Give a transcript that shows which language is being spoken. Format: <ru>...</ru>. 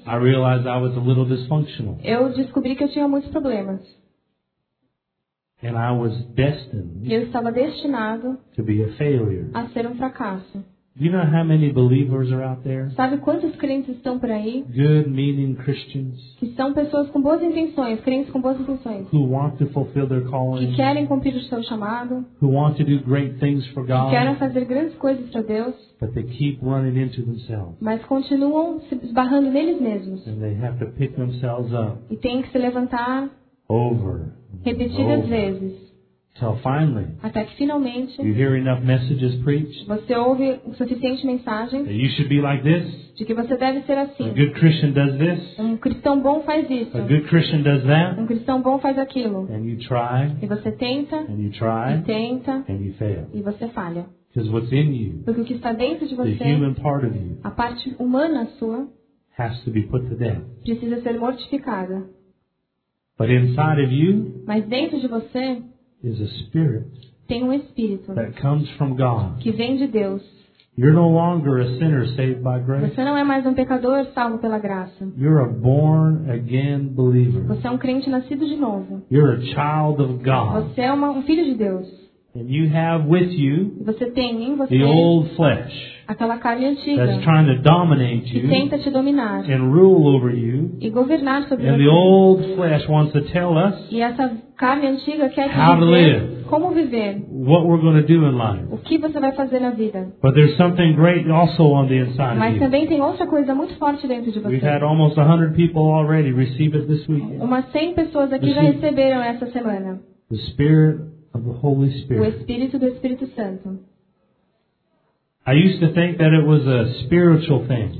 <en>I realized I was a little dysfunctional.</en> <pt>Eu descobri que eu tinha muitos problemas.</pt> <en>And I was destined,</en> <pt>eu estava destinado,</pt> <en>to be a failure,</en> <pt>a ser um fracasso.</pt> <en>You know how many believers are out there?</en> <pt>Sabe quantos crentes estão por aí?</pt> <en>Good meaning Christians.</en> <pt>Que são pessoas com boas intenções, crentes com boas intenções.</pt> <en>Who want to fulfill their calling.</en> <pt>Que querem cumprir o seu chamado.</pt> <en>Who want to do great things for God.</en> <pt>Que querem fazer grandes coisas para Deus.</pt> <en>But they keep running into themselves.</en> <pt>Mas continuam se esbarrando neles mesmos.</pt> <en>And they have to pick themselves up.</en> <pt>E têm que se levantar.</pt> <en>Over.</en> <pt>Repetidas vezes.</pt> <en>Until finally,</en> <pt>até que finalmente,</pt> <en>you hear enough messages preached,</en> <pt>você ouve o suficiente mensagem,</pt> <en>that you should be like this,</en> <pt>de que você deve ser assim.</pt> <en>A good Christian does this,</en> <pt>um cristão bom faz isso.</pt> <en>A good Christian does that,</en> <pt>um cristão bom faz aquilo.</pt> <en>And you try,</en> <pt>e você tenta,</pt> <en>and you try,</en> <pt>e tenta,</pt> <en>and you fail,</en> <pt>e você falha.</pt> <en>Because what's in you,</en> <pt>porque o que está dentro de você,</pt> <en>the human part of you,</en> <pt>a parte humana sua,</pt> <en>has to be put to death,</en> <pt>precisa ser mortificada.</pt> <en>But inside of you,</en> <pt>mas dentro de você,</pt> <en>is a spirit,</en> <pt>tem um espírito,</pt> <en>that comes from God,</en> <pt>que vem de Deus.</pt> <en>You're no longer a sinner saved by grace.</en> <pt>Você não é mais um pecador salvo pela graça.</pt> <en>You're a born again believer.</en> <pt>Você é um crente nascido de novo.</pt> <en>You're a child of God.</en> <pt>Você é um filho de Deus.</pt> <en>And you have with you,</en> <pt>você tem em você,</pt> <en>the old flesh,</en> <pt>aquela carne antiga,</pt> <en>that's trying to dominate you,</en> <pt>que tenta te dominar,</pt> <en>and rule over you,</en> <pt>e governar sobre você.</pt> <en>And the old flesh wants to tell us,</en> <pt>e essa carne antiga quer te</pt> <en>how to live,</en> <pt>como viver,</pt> <en>what we're going to do in life,</en> <pt>o que você vai fazer na vida.</pt> <en>But there's something great also on the inside</en> <pt>mas</pt> <en>of you.</en> <pt>Também tem outra coisa muito forte dentro de você.</pt> <en>We've had almost 100 people already receive it this week.</en> <pt>Umas 100 pessoas aqui já receberam essa semana.</pt> <en>The Spirit of the Holy Spirit.</en> <pt>O Espírito do Espírito Santo.</pt> <en>I used to think that it was a spiritual thing.</en>